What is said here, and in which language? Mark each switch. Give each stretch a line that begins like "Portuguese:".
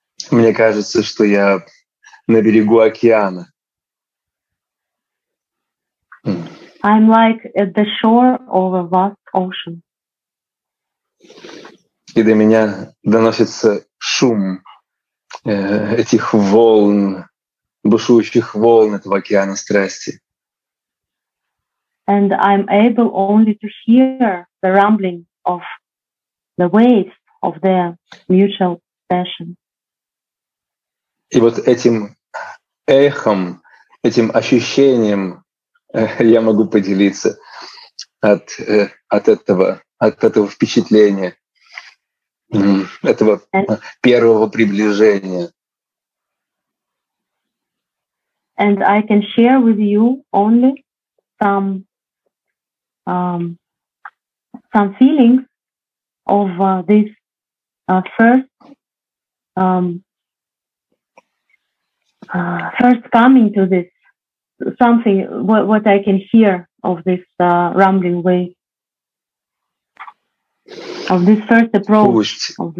Russian: Мне кажется, что я на берегу океана.
English: I'm like at the shore of a vast ocean.
Russian: И до меня доносится шум этих волн, бушующих волн этого океана страсти.
English: And I'm able only to hear the rumbling of the waves of their mutual passion.
Russian: И вот этим эхом, этим ощущением я могу поделиться от этого впечатления, этого первого приближения.
English: And I can share with you only some feelings of this first coming to this something what I can hear of this rumbling wave of this first approach.